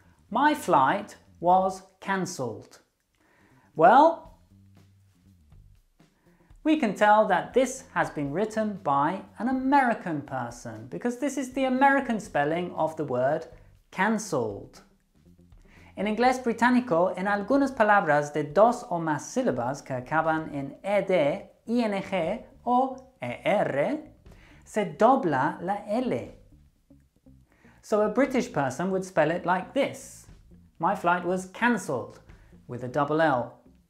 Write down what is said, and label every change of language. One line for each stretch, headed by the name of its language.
English: My flight was cancelled. Well, we can tell that this has been written by an American person because this is the American spelling of the word cancelled.
Spanish: En inglés británico, en algunas palabras de dos o más sílabas que acaban en ed, ing o er, se dobla la l.
English: So a British person would spell it like this. My flight was cancelled, with a double L.